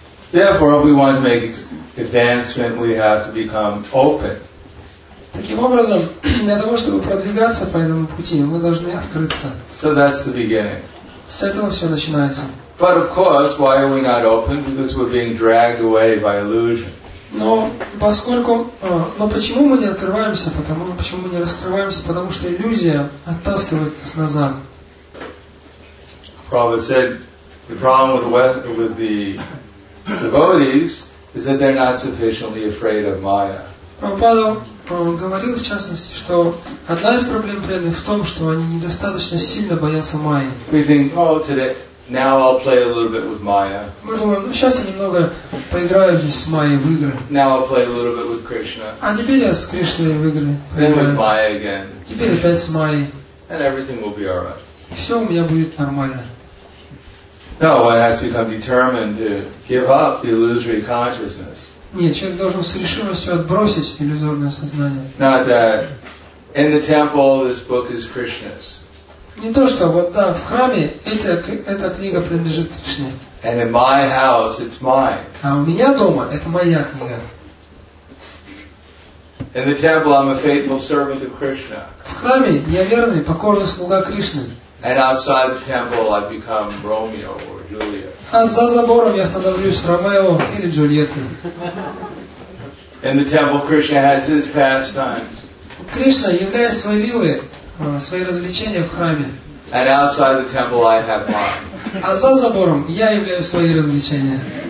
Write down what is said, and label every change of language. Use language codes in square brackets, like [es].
[en] Therefore, if we want to make advancement, we have to become open. [ru] Таким образом, для того, чтобы продвигаться по этому пути, мы должны открыться. [en] So that's the beginning. [ru] С этого все начинается. [en] But of course, why are we not open? Because we're being dragged away by illusion. [ru] Но почему мы не открываемся? Почему мы не раскрываемся? Потому что иллюзия оттаскивает нас назад. [en] Prabhupada said the problem with the devotees is that they're not sufficiently afraid of Maya. [ru] Prabhupada говорил в частности, что одна из проблем преданных в том, что они недостаточно сильно боятся Майи. [en] We think, oh, today. Now I'll play a little bit with Maya. [ru] Мы думаем, ну сейчас я немного поиграю здесь с Майей в игры. [en] Now I'll play a little bit with Krishna. [ru] А теперь я с Кришной в игры поиграю. [en] Then with Maya again. [ru] Теперь опять с Майей. [en] And everything will be alright. [ru] И все у меня будет нормально. [en] No, one has to become determined to give up the illusory consciousness. [ru] Нет, человек должен с решимостью отбросить иллюзорное сознание. [en] Not that in the temple this book is Krishna's. [ru] Не то, что вот да, в храме эта книга принадлежит Кришне. [en] And in my house, it's mine. [ru] А у меня дома это моя книга. [en] In the temple, I'm a faithful servant of Krishna. [ru] В храме я верный, покорный слуга Кришны. [en] And outside the temple, I become Romeo or Juliet. [ru] А за забором я становлюсь Ромео или Джульеттой. [en] In the temple, Krishna has his pastimes. [ru] Кришна являет свои лилы. Свои развлечения в храме. [en] And outside the temple I have mine. [ru] А за забором я являю свои развлечения.